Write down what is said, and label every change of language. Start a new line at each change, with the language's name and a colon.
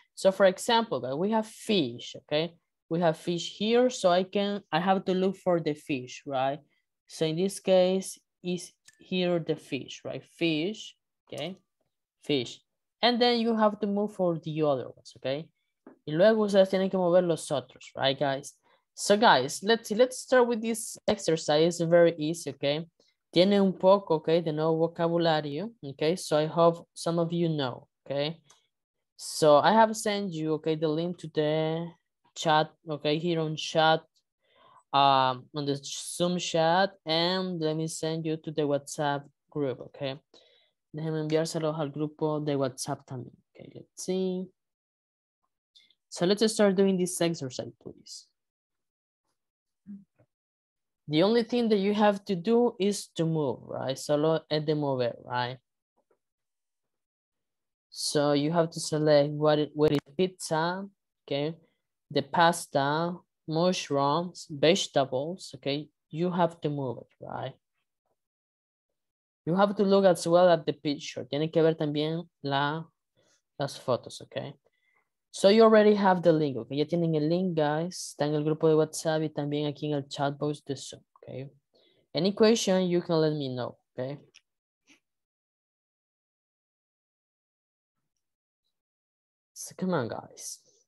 English: So, for example, guys, we have fish, okay? We have fish here, so I have to look for the fish, right? So in this case, is here the fish, right? Fish, okay? Fish. And then you have to move for the other ones, okay?
Spanish: Y luego ustedes tienen que mover los otros, right, guys?
English: So guys, let's start with this exercise. It's very easy, okay?
Spanish: Tiene un poco, okay, de nuevo vocabulario, okay?
English: So I hope some of you know, okay? So I have sent you, okay, the link to the chat, okay, here on chat, on the Zoom chat, and let me send you to the WhatsApp group, okay?
Spanish: Déjenme enviárselos al grupo de WhatsApp también, okay,
English: let's see. So let's start doing this exercise, please. The only thing that you have to do is to move, right?
Spanish: Solo es de mover,
English: right? So you have to select what is pizza, okay? The pasta, mushrooms, vegetables, okay? You have to move it, right? You have to look as well at the picture.
Spanish: Tiene que ver también las fotos, okay?
English: So you already have the link, okay?
Spanish: Ya tienen el link,
English: guys.
Spanish: Está en el grupo de WhatsApp y también aquí en el chat box de Zoom, okay?
English: Any question, you can let me know, okay? So come on, guys.